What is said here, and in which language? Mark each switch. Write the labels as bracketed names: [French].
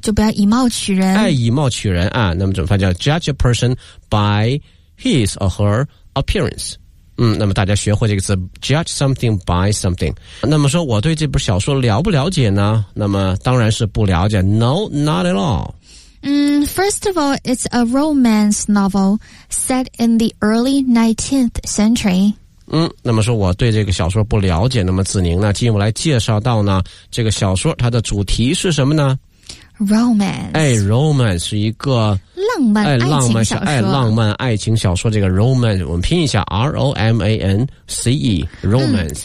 [Chinese] 就不要以貌取人，哎，以貌取人啊，那么怎么翻译，叫 [English] judge a person by his or her appearance。 [Chinese] 嗯，那么大家学会这个词 [English] judge something by something。 [Chinese] 那么说我对这部小说了不了解呢，那么当然是不了解。 [English] No, not at all. First of all, it's a romance novel set in the early 19th century. [Chinese] 嗯，那么说我对这个小说不了解，那么子宁呢进一步来介绍到呢这个小说它的主题是什么呢？ [English] Romance， [Chinese] 哎 ，romance 是一个浪漫爱情小说，哎，浪漫爱情小说。这个 romance， 我们拼一下 ，romance，romance，